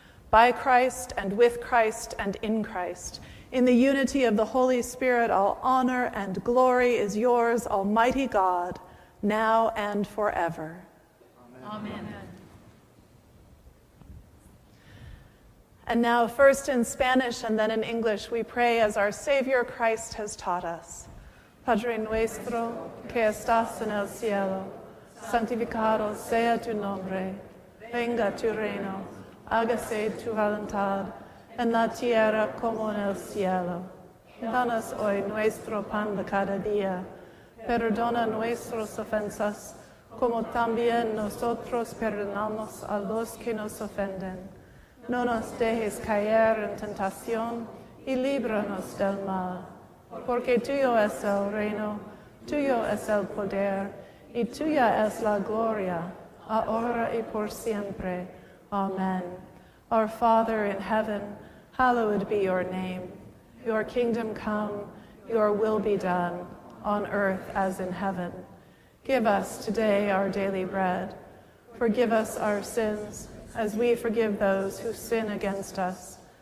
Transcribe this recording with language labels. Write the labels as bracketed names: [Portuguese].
[English] By Christ and with Christ and in Christ, in the unity of the Holy Spirit, all honor and glory is yours, Almighty God, now and forever. Amen. Amen. And now, first in Spanish and then in English, we pray as our Savior Christ has taught us. [Spanish] Padre nuestro, que estás en el cielo, santificado sea tu nombre, venga tu reino, hágase tu voluntad, en la tierra como en el cielo. Danos hoy nuestro pan de cada día, perdona nuestras ofensas, como también nosotros perdonamos a los que nos ofenden. no nos dejes caer en tentación y líbranos del mal. Porque tuyo es el reino, tuyo es el poder y tuya es la gloria, ahora y por siempre. [English] Amen. Our Father in heaven, hallowed be your name. Your kingdom come, your will be done, on earth as in heaven. Give us today our daily bread. Forgive us our sins, as we forgive those who sin against us.